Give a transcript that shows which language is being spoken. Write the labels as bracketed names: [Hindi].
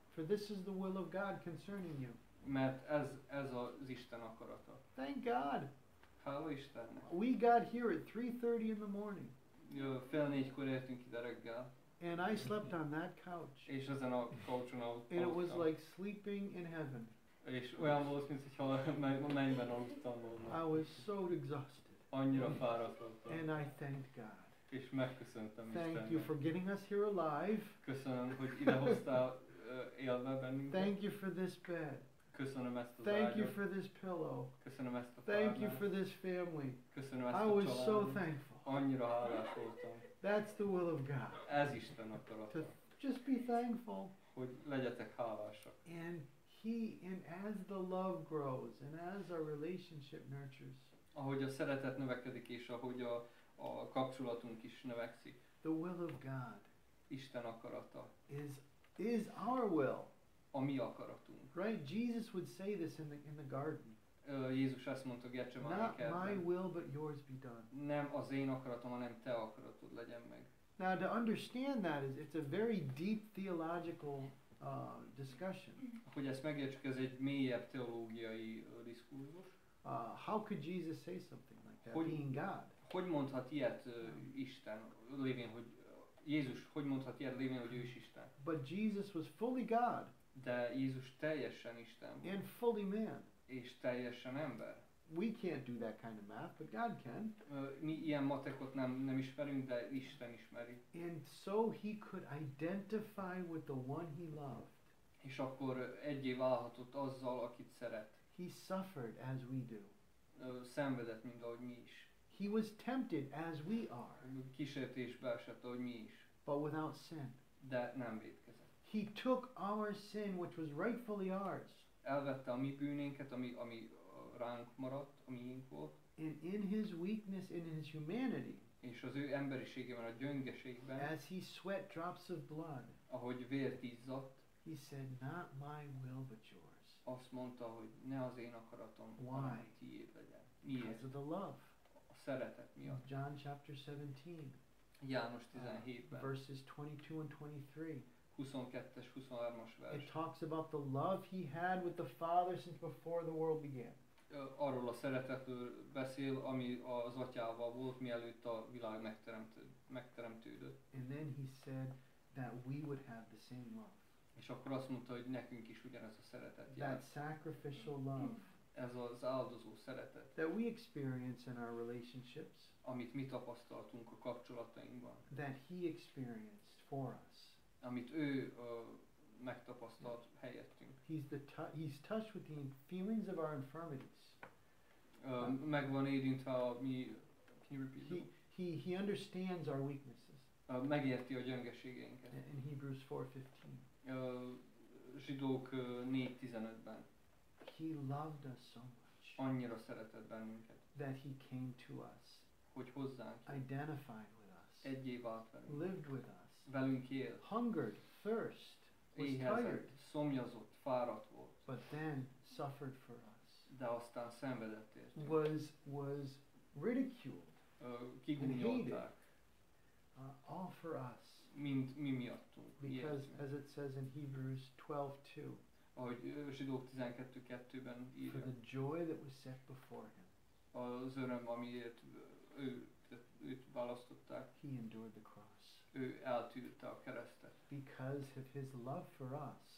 [English] For this is the will of God concerning you. [Hungarian] Mert ez az Isten akarata. [English] Thank God. [Hungarian] Hála Istennek. [English] We got here at 3:30 in the morning. [Hungarian] Jó, fél négykor értünk ide reggel. [English] And I slept on that couch. [Hungarian] És ezen a couchon aludtam. [English] And it was like sleeping in heaven. [Hungarian] És olyan volt, mintha mennyben aludtam volna. [English] I was so exhausted. [Hungarian] Annyira fáradt voltam. [English] And I thanked God. [Hungarian] És megköszöntem Istennek. [English] Thank you for getting us here alive. [Hungarian] Köszönöm, hogy idehoztál élve bennünket. [English] Thank you for this bed. [Hungarian] Köszönöm ezt az ágyat. [English] Thank you for this pillow. [Hungarian] Köszönöm ezt a párnát. [English] Thank you for this family. [Hungarian] Köszönöm ezt a családot. [English] I was so thankful. [Hungarian] Annyira hálás voltam. [English] That's the will of God. [Hungarian] Ez Isten akarata. [English] Just be thankful. [Hungarian] Hogy legyetek hálásak. [English] And as the love grows, and as our relationship nurtures. [Hungarian] Ahogy a szeretet növekedik, és ahogy a kapcsolatunk is növekszik. [English] The will of God. [Hungarian] Isten akarata. [English] Is our will. [Hungarian] A mi akaratunk. [English] Right? Jesus would say this in the garden. [Hungarian] Jézus ezt mondta Getsemáné kertben. [English] Not my will, but yours be done. [Hungarian] Nem az én akaratom, hanem te akaratod legyen meg. [English] Now to understand that it's a very deep theological discussion. [Hungarian] Hogy ezt megértsük, ez egy mélyebb teológiai diskurzus. [English] How could Jesus say something like that, being God? [Hungarian] Hogy mondhat ilyet Isten, lévén, hogy Jézus, hogy mondhat ilyet lévén, hogy ő is Isten? [English] But Jesus was fully God. [Hungarian] De Jézus teljesen Isten. [English] And fully man. [Hungarian] És teljesen ember. [English] We can't do that kind of math, but God can. [Hungarian] Mi ilyen matekot nem ismerünk, de Isten ismeri. [English] And so he could identify with the one he loved. [Hungarian] És akkor egyé válhatott azzal, akit szeret. [English] He suffered as we do. [Hungarian] Szenvedett, mint ahogy mi is. [English] He was tempted as we are. [Hungarian] Kísértésbe esett, ahogy mi is. [English] But without sin. [Hungarian] De nem vétkezett. [English] He took our sin, which was rightfully ours. [Hungarian] Elvette a mi bűnénket, ami ránk maradt, a miénk volt. [English] And in his weakness, in his humanity. [Hungarian] És az ő emberiségében, a gyöngeségben. [English] As he sweat drops of blood. [Hungarian] Ahogy vért izzadt. [English] He said, not my will, but yours. [Hungarian] Azt mondta, hogy ne az én akaratom, [English] why? [Hungarian] Hanem tiéd legyen. Miért? [English] Because of the love. [Hungarian] Szeretet miatt. [English] John chapter 17. [Hungarian] János 17-ben. [English] Verses 22 and 23. [Hungarian] 22-es, 23-as vers. [English] It talks about the love he had with the Father since before the world began. [Hungarian] Arról a szeretetről beszél, ami az atyával volt, mielőtt a világ megteremtődött. [English] And then he said that we would have the same love. [Hungarian] És akkor azt mondta, hogy nekünk is ugyanez a szeretet. [English] That sacrificial love. [Hungarian] Ez az áldozó szeretet. [English] That we experience in our relationships. [Hungarian] Amit mi tapasztaltunk a kapcsolatainkban. [English] That he experienced for us. [Hungarian] Amit ő megtapasztalt helyettünk. [English] He's touched with the feelings of our infirmities. [Hungarian] Megvan érintve a mi... [English] Can you repeat that? He understands our weaknesses. [Hungarian] Megérti a gyöngeségeinket. [English] In Hebrews 4:15. [Hungarian] Zsidók 4:15-ben. [English] He loved us so much. [Hungarian] Annyira szeretett bennünket. [English] That he came to us. [Hungarian] Hogy hozzánk. [English] Identified with us. [Hungarian] Egyé vált velünk. [English] Lived with us. [Hungarian] Velünk él. [English] Hungered, thirst, [Hungarian] éhezett, [English] was tired. [Hungarian] Szomjazott, fáradt volt. [English] But then suffered for us. [Hungarian] De aztán szenvedett értünk. [English] Was ridiculed. [Hungarian] Kigunyolták. [English] All for us. [Hungarian] Mint mi miattunk. [English] Because as it says in Hebrews 12:2. [Hungarian] Ahogy Zsidók 12:2-ben írja. [English] For the joy that was set before him. [Hungarian] Az öröm, amiért őt választották. [English] He endured the cross. [Hungarian] Ő eltűrte a keresztet. [English] Because of his love for us.